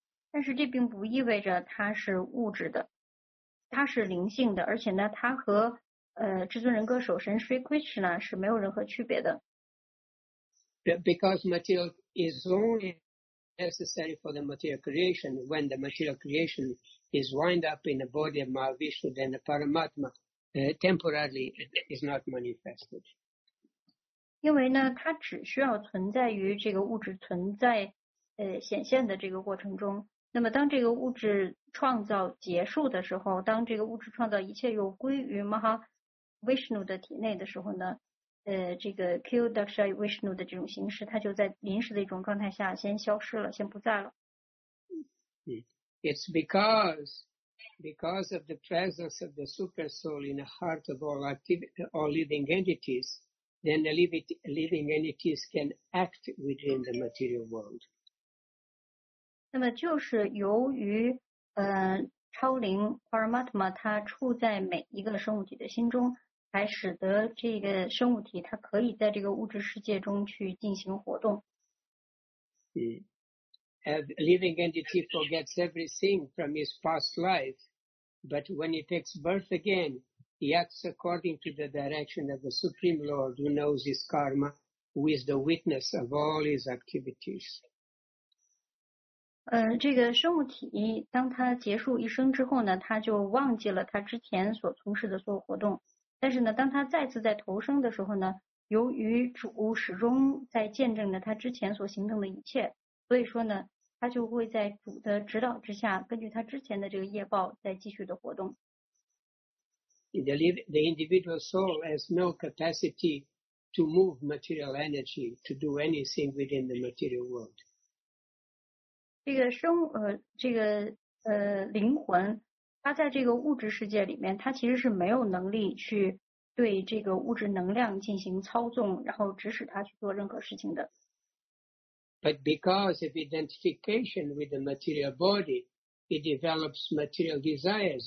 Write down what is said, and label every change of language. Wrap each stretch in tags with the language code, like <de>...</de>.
<zh>但是这并不意味着它是物质的，它是灵性的，而且呢，它和至尊人格首神 Sri Krishna 是没有任何区别的。</zh> <en>Because material is onlyNecessary for the material creation. When the material creation is wind up in the body of Mahavishnu, then the Paramatma temporarily is not manifested.</en> <zh>因为呢，它只需要存在于这个物质存在显现的这个过程中。那么，当这个物质创造结束的时候，当这个物质创造一切又归于 Mahavishnu 的体内的时候呢？这个 Kshirodakshaya Vishnu 的这种形式，它就在临时的一种状态下先消失了，先不在了。</zh> <en>It's because of the presence of the super soul in the heart of all living entities, then the living entities can act within the material world.</en> <zh>那么就是由于超灵 Paramatma 它处在每一个生物体的心中。还使得这个生物体它可以在这个物质世界中去进行活动。</zh> <en>A living entity forgets everything from his past life, but when he takes birth again, he acts according to the direction of the Supreme Lord who knows his karma, who is the witness of all his activities.</en> <zh>这个生物体当它结束一生之后呢，它就忘记了它之前所从事的所有活动。但是呢，当他再次在投生的时候呢，由于主始终在见证着他之前所行动的一切，所以说呢，他就会在主的指导之下，根据他之前的这个业报再继续的活动。</zh> <en>The individual soul has no capacity to move material energy to do anything within the material world.</en> <zh>灵魂。他在这个物质世界里面，他其实是没有能力去对这个物质能量进行操纵，然后指使他去做任何事情的。</zh> <en>But because of identification with the material body, he develops material desires.</en>